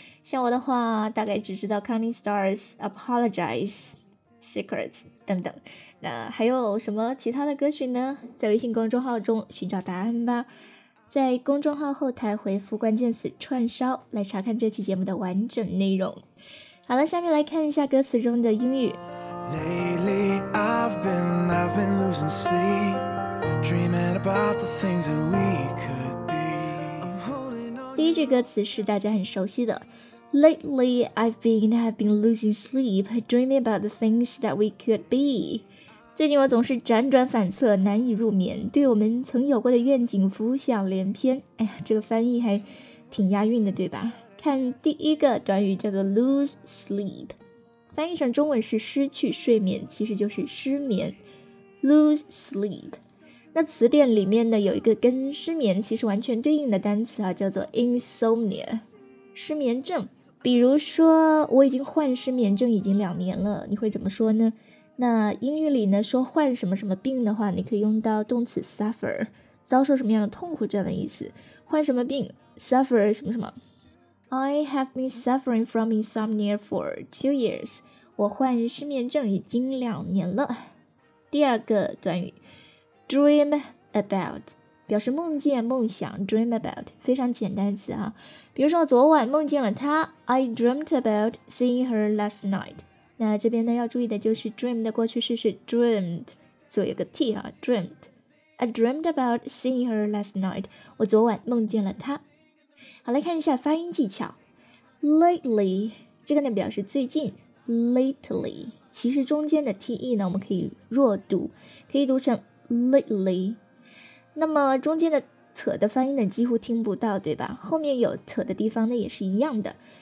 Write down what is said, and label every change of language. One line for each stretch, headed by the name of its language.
Chinese: 像我的话大概只知道 Counting Stars, Apologize, Secrets 等等。那还有什么其他的歌曲呢？在微信公众号中寻找答案吧，在公众号后台回复关键词串烧来查看这期节目的完整内容。好了，下面来看一下歌词中的英语。
English: Lately I've been losing sleep, dreaming about the things that we could be.
Chinese: 第一句歌词是大家很熟悉的
English: Lately I've been losing sleep, dreaming about the things that we could be.
Chinese: 最近我总是辗转反侧，难以入眠，对我们曾有过的愿景浮想联翩。哎呀，这个翻译还挺押韵的，对吧？看第一个短语叫做 lose sleep， 翻译成中文是失去睡眠，其实就是失眠， lose sleep。那词典里面呢有一个跟失眠其实完全对应的单词啊，叫做 insomnia， 失眠症。比如说我已经患失眠症已经2年了，你会怎么说呢？那英语里呢说患什么什么病的话，你可以用到动词 suffer， 遭受什么样的痛苦这样的意思。患什么病 suffer 什么什么，
English: I have been suffering from insomnia for 2 years.
Chinese: 我患失眠症已经2年了。第二个短语 dream about 表示梦见、梦想， dream about 非常简单词啊。比如说昨晚梦见了她，
English: I dreamt about seeing her last night.
Chinese: 那这边呢要注意的就是 dream 的过去式是 dreamed， 所以有个 t 啊， dreamed.
English: I dreamt about seeing her last night.
Chinese: 我昨晚梦见了她。好，来看一下发音技巧。 Lately 这个呢表示最近， lately， 其实中间的 te 呢我们可以弱读，可以读成 lately， 那么中间的 t 的发音呢几乎听不到对吧，后面有 t 的地方呢也是一样的，